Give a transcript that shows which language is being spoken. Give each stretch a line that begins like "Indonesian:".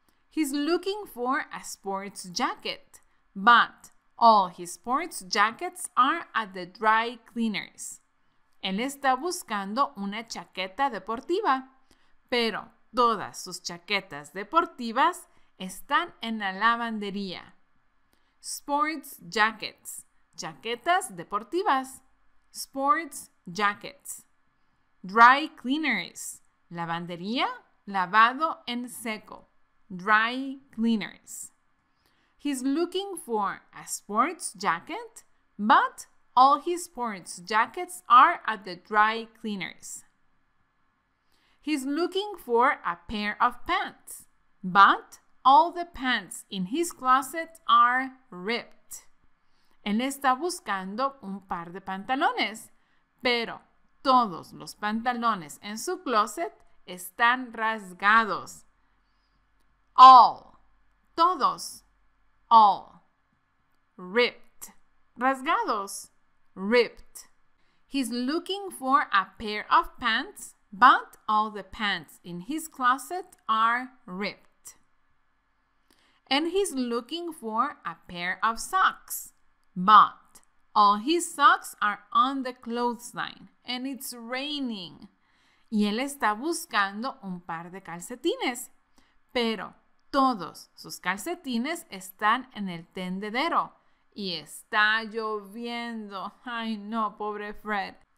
English: He's looking for a sports jacket, but all his sports jackets are at the dry cleaners.
Spanish: Él está buscando una chaqueta deportiva, pero todas sus chaquetas deportivas están en la lavandería.
English: Sports jackets,
Spanish: chaquetas deportivas,
English: sports jackets. Dry cleaners,
Spanish: lavandería, lavado en seco.
English: Dry cleaners. He's looking for a sports jacket, but all his sports jackets are at the dry cleaners. He's looking for a pair of pants, but all the pants in his closet are ripped.
Spanish: Él está buscando un par de pantalones, pero todos los pantalones en su closet están rasgados.
English: All,
Spanish: todos,
English: all, ripped,
Spanish: rasgados,
English: ripped. He's looking for a pair of pants, but all the pants in his closet are ripped. And he's looking for a pair of socks, but all his socks are on the clothesline and it's raining.
Spanish: Y él está buscando un par de calcetines, pero todos sus calcetines están en el tendedero y está lloviendo. Ay, no, pobre Fred.